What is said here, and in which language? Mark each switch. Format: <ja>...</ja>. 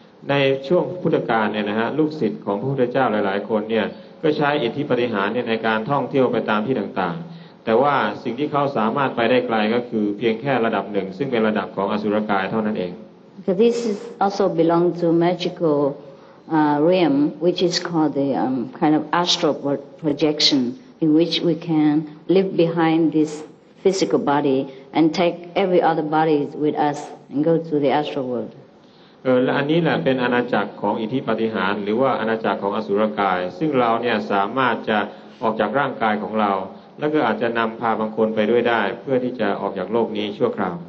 <th>ในช่วงพุทธกาลเนี่ยนะฮะลูกศิษย์ของพระพุทธเจ้าหลายๆคนเนี่ย ก็ใช้อิทธิปฏิหารเนี่ยในการท่องเที่ยวไปตามที่ต่างๆแต่ว่าสิ่งที่เขาสามารถไปได้ไกลก็คือเพียงแค่ระดับหนึ่งซึ่งเป็นระดับของอสุรกายเท่านั้นเอง</th> <en>Because this is also belong to magical realm which is called the kind of astral projection in which we can live behind this physical body and take every other body with us and go to the astral world</en> <th>และอันนี้แหละเป็นอาณาจักรของอิทธิปาฏิหาริย์หรือว่าอาณาจักรของอสุรกายซึ่งเราเนี่ยสามารถจะออกจากร่างกายของเราแล้วก็อาจจะนำพาบางคนไปด้วยได้เพื่อที่จะออกจากโลกนี้ชั่วคราว</th>